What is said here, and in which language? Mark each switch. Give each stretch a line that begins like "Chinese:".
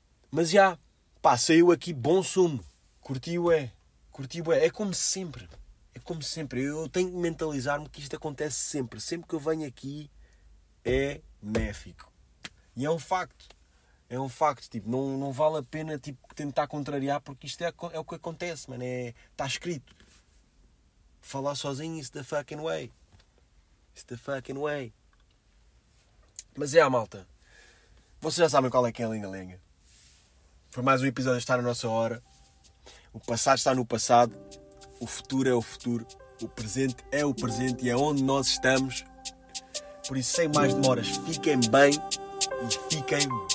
Portuguese: Mas já, pá, saiu aqui bom sumo. Curti, ué. É como sempre. Eu tenho que mentalizar-me que isto acontece sempre. Sempre que eu venho aqui é... Méfico. E é um facto. É um facto. Tipo, não vale a pena tipo, tentar contrariar porque isto é o que acontece, mano. Está escrito. Falar sozinho,
English: it's the fucking way. It's the fucking way.
Portuguese: Mas é a malta. Vocês já sabem qual é que é a linga-linga. Foi mais um episódio de estar na nossa hora. O passado está no passado. O futuro é o futuro. O presente é o presente e é onde nós estamos. Por isso, sem mais demoras, fiquem bem e fiquem